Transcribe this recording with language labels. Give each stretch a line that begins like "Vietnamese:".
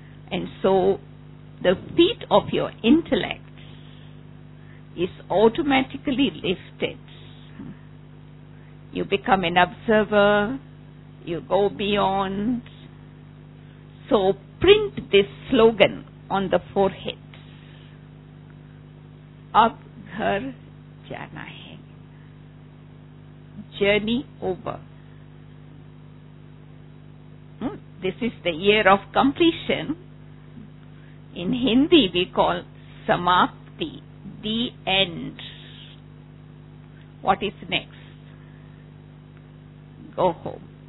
English: And so the feet of your intellect is automatically lifted. You become an observer, you go beyond. So print this slogan on the forehead.
Hindi: अब घर जाना है.
English: Journey over. This is the year of completion. In Hindi we call samapti, the end. What is next? Go home.